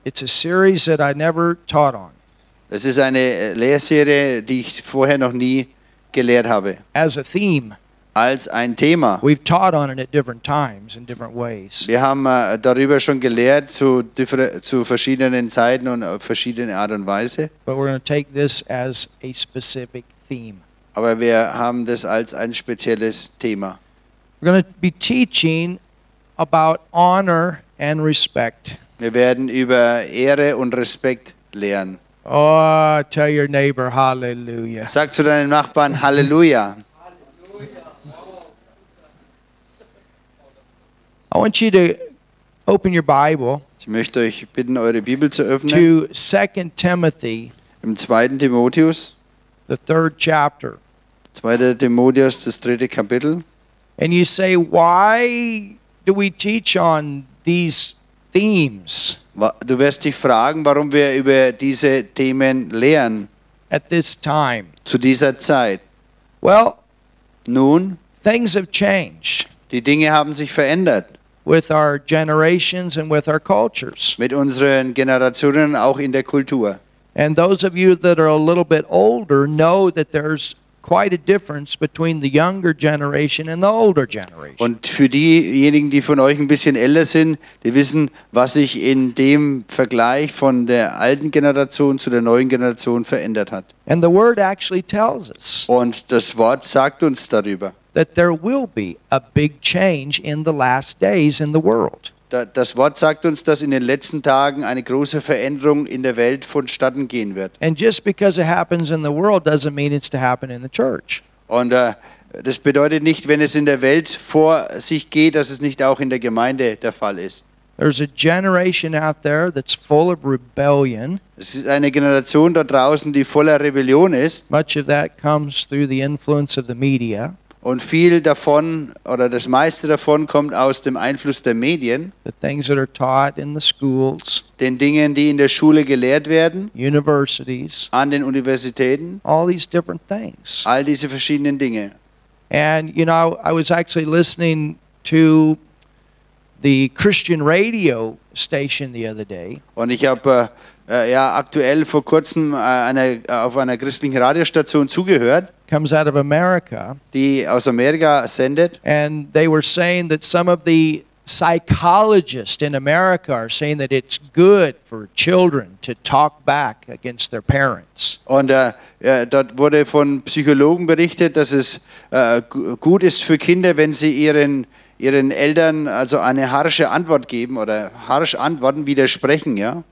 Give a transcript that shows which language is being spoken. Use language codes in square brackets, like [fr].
[en] It's a series that I never taught on. [de] Das ist eine Lehrserie, die ich vorher noch nie gelehrt habe. [en] As a theme. [de] Als ein Thema. [en] We've taught on it at different times in different ways. [de] Wir haben darüber schon gelehrt zu verschiedenen Zeiten und auf verschiedene Art und Weise. [en] But we're going to take this as a specific theme. [de] Aber wir haben das als ein spezielles Thema. [en] We're going to be teaching about honor and respect. [de] Wir werden über Ehre und Respekt lernen. [en] Oh, tell your neighbor hallelujah. [de] Sag zu deinem Nachbarn hallelujah. [en] I want you to open your Bible. [de] Ich möchte euch bitten, eure Bibel zu öffnen. [en] To 2 Timothy. [de] Im 2. Timotheus. [en] The third chapter. [de] 2. Timotheus, das dritte Kapitel. [en] And you say, why do we teach on these themes? [de] Du wirst dich fragen, warum wir über diese Themen lehren. [en] At this time. [de] Zu dieser Zeit. [en] Well, [de] nun, [en] things have changed. [de] Die Dinge haben sich verändert. [en] With our generations and with our cultures. [de] Mit unseren Generationen auch in der Kultur. [en] And those of you that are a little bit older know that there's quite a difference between the younger generation and the older generation. [de] Und für diejenigen, die von euch ein bisschen älter sind, die wissen, was sich in dem Vergleich von der alten Generation zu der neuen Generation verändert hat. [en] And the word actually tells us. [de] Und das Wort sagt uns darüber. [en] That there will be a big change in the last days in the world. [de] Das Wort sagt uns, dass in den letzten Tagen eine große Veränderung in der Welt vonstatten gehen wird. [en] And just because it happens in the world doesn't mean it's to happen in the church. [de] Und das bedeutet nicht, wenn es in der Welt vor sich geht, dass es nicht auch in der Gemeinde der Fall ist. [en] There's a generation out there that's full of rebellion. [de] Es ist eine Generation da draußen, die voller Rebellion ist. [en] Much of that comes through the influence of the media. [de] Und viel davon, oder das meiste davon, kommt aus dem Einfluss der Medien. [en] The things that are taught in the schools, [de] den Dingen, die in der Schule gelehrt werden. [en] Universities, [de] an den Universitäten. [en] All these different things. [de] All diese verschiedenen Dinge. [en] And, you know, I was actually listening to the Christian radio station the other day. [de] Und ich habe aktuell vor kurzem auf einer christlichen Radiostation zugehört. [en] Comes out of America, [de] die aus Amerika sendet, [en] and they were saying that some of the psychologists in America are saying that it's good for children to talk back against their parents. [de] Und dort wurde von Psychologen berichtet, dass es gut ist für Kinder, wenn sie ihren Eltern also eine harsche Antwort geben oder harsch Antworten widersprechen, ja.